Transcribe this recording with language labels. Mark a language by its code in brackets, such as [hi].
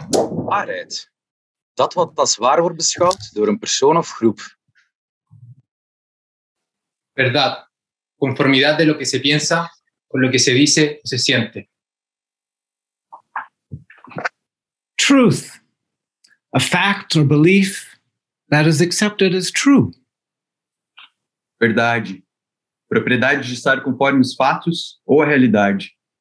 [nl] Waarheid, dat wat als waar wordt beschouwd door een persoon of groep. [es] Verdad, conformidad de lo que se piensa con lo que se dice o se siente. [en] Truth, a fact or belief that is accepted as true. [pt] Verdade, propriedade de estar conforme os fatos ou a realidade.